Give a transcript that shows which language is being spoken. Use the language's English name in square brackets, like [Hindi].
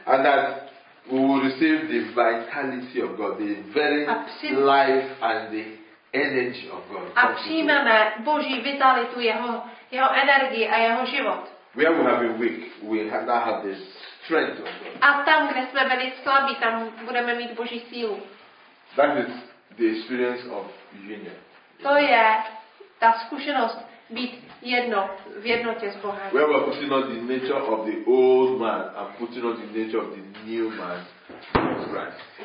[English] And that we will receive the vitality of God, the very life and the energy of God. [Czech] A přijmeme Boží vitalitu, jeho energii a jeho život. [English] Where we have been weak, we have now have the strength of God. [Czech] A tam, kde jsme byli slabí, tam budeme mít Boží sílu. [English] That is the experience of union. [Czech] To je ta zkušenost být jedno v jednotě s Bohem. [English] Where we are putting on the nature of the old man and putting on the nature of the new man, Christ.